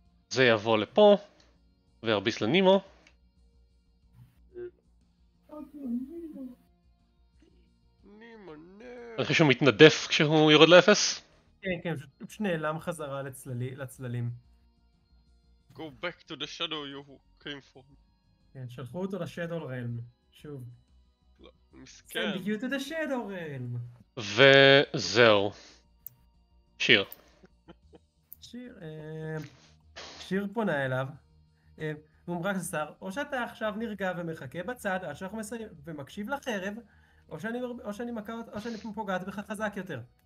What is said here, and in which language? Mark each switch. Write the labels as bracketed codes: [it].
[he] זה יבוא לפה, וירביס לנימו. נימו, נימו. אני חושב שהוא מתנדף כשהוא יורד לאפס? כן, כן, הוא נעלם חזרה לצללים. [en] Go back to the shadow you came from. [he] כן, שלחו אותו לשדו רלם, שוב. מסכן. [en] Send you to the shadow רלם. [he] וזהו. שיר. שיר, שיר פונה אליו, ומרק לסר, או שאתה עכשיו נרגע ומחכה בצד עד שאנחנו מסיים ומקשיב לחרב, או שאני פוגעת בך חזק יותר.